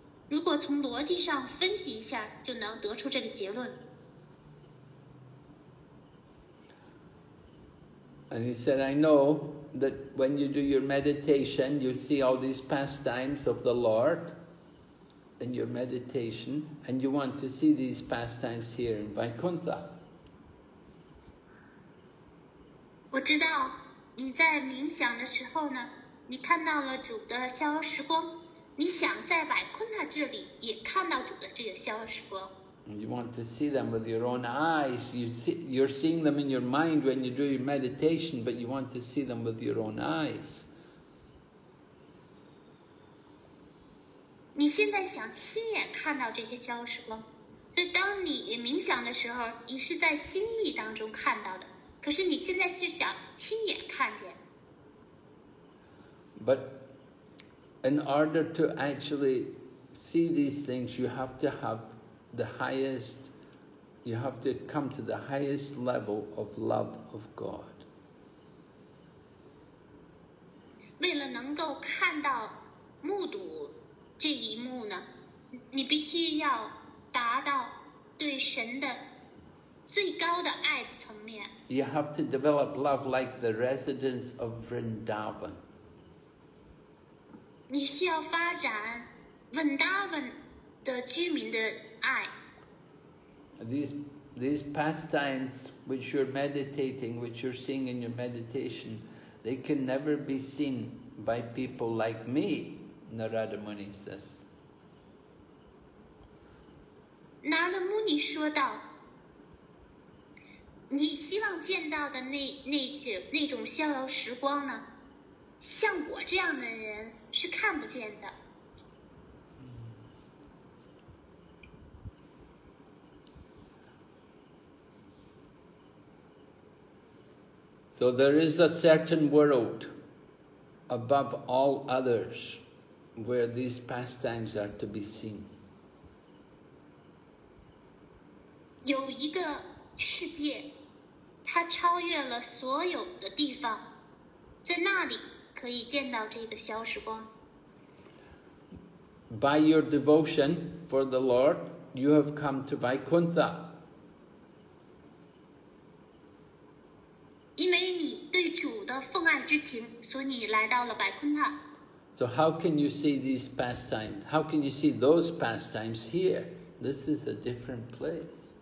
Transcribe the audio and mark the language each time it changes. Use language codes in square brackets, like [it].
[zh] 如果从逻辑上分析一下，就能得出这个结论。 [en] And he said, I know that when you do your meditation, you see all these pastimes of the Lord in your meditation, and you want to see these pastimes here in Vaikuntha. [zh] 我知道。你在冥想的时候呢，你看到了主的逍遥时光，你想在百昆塔这里也看到主的这个逍遥时光。 [en] You want to see them with your own eyes. You're seeing them in your mind when you do your meditation, but you want to see them with your own eyes. [zh] 你现在想亲眼看到这些逍遥时光，所以当你冥想的时候，你是在心意当中看到的。可是你现在是想亲眼看见。 [en] But in order to actually see these things, you have to have the highest, you have to come to the highest level of love of God. [zh] 为了能够看到目睹这一幕呢，你必须要达到对神的最高的爱的层面。 [en] You have to develop love like the residents of Vrindavan. [zh] 你需要发展 Vrindavan 的居民的爱。 [en] These pastimes which you're meditating, which you're seeing in your meditation, they can never be seen by people like me, Narada Muni says. [zh] Narada Muni 说道，你希望见到的那种逍遥时光呢，像我这样的人是看不见的。 [en] So there is a certain world above all others where these pastimes are to be seen. [zh] 有一个世界他超越了所有的地方，在那里可以见到这个逍遥时光。 [en] By your devotion for the Lord, you have come to Vaikuntha. [zh] 因为你对主的奉爱之情，所以你来到了百昆塔。 [en] So how can you see these pastimes? How can you see those pastimes here? This is a different place.